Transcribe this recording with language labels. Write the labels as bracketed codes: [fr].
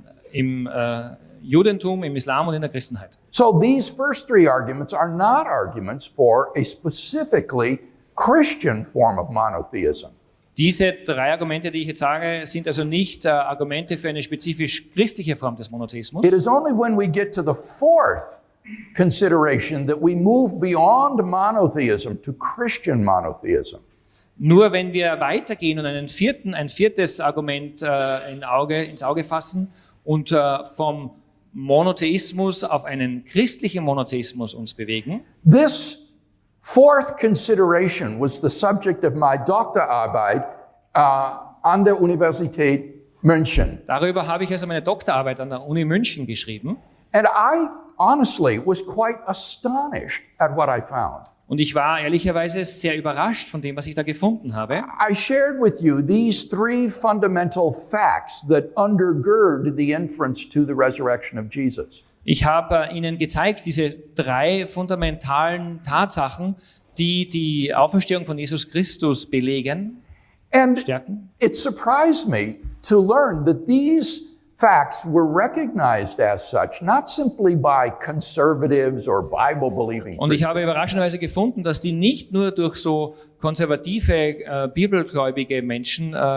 [de] Wie im Judentum, im Islam und in der Christenheit. [en] So these first three arguments are not arguments for a specifically Christian form of monotheism. [de] Diese drei Argumente, die ich jetzt sage, sind also nicht Argumente für eine spezifisch christliche Form des Monotheismus. [en] It is only when we get to the fourth consideration that we move beyond monotheism to Christian monotheism. [de] Nur wenn wir weitergehen und ein viertes Argument ins Auge fassen und vom Monotheismus auf einen christlichen Monotheismus uns bewegen. [en] This fourth consideration was the subject of my [de] Doktorarbeit an der Universität München. Darüber habe ich also meine Doktorarbeit an der Uni München geschrieben. [en] And I honestly was quite astonished at what I found. [de] Und ich war ehrlicherweise sehr überrascht von dem, was ich da gefunden habe. [en] I shared with you these three fundamental facts that undergird the inference to the resurrection of Jesus. [de] Ich habe Ihnen gezeigt diese drei fundamentalen Tatsachen, die Auferstehung von Jesus Christus belegen und stärken. [en] It surprised me to learn that these facts were recognized as such, not simply by conservatives or Bible-believing. [de] Und ich habe überraschenderweise gefunden, dass die nicht nur durch so konservative, bibelgläubige Menschen